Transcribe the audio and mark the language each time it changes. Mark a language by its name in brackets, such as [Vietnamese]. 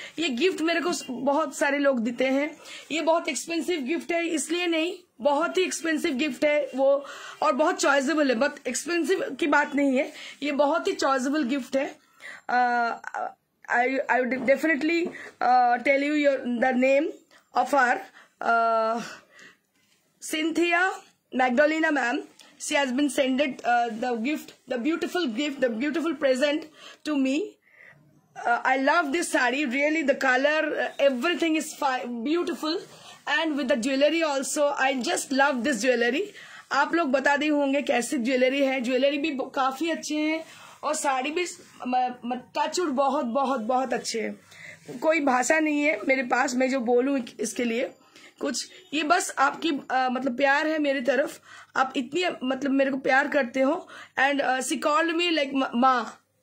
[Hindi] ये गिफ्ट मेरे को बहुत सारे लोग देते हैं. ये बहुत एक्सपेंसिव गिफ्ट है इसलिए नहीं बहुत ही एक्सपेंसिव गिफ्ट है वो और बहुत चॉइसेबल है बट एक्सपेंसिव की बात नहीं है. ये बहुत ही चॉइसेबल गिफ्ट है. [English] I would definitely tell you your the name of our Cynthia Magdolina ma'am. She has been sended the gift, the beautiful gift, the beautiful present to me. I love this sari. Really, the color, everything is beautiful. And with the jewelry also, I just love this jewelry. [Hindi] आप लोग बता दी होंगे कैसी jewellery है. Jewellery भी काफी अच्छे हैं और साड़ी भी टचउड बहुत बहुत बहुत अच्छे हैं. कोई भाषा नहीं है मेरे पास मैं जो बोलूँ इसके लिए कुछ. ये बस आपकी मतलब प्यार है मेरी तरफ. आप इतनी मतलब मेरे को प्यार करते हो [English] And she called me like माँ.